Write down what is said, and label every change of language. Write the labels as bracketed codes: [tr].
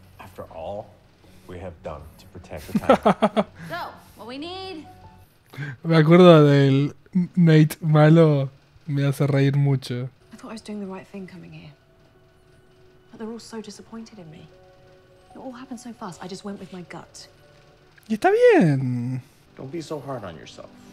[en] After all we have done to protect the town. So, what we need. [es] Me acuerdo del Nate malo, me hace reír mucho. [en] I thought I was doing the right thing coming here. But they're all so disappointed in me. It all happened so fast, I just went with my gut. [es] Y está bien. [en] Don't be so hard on yourself.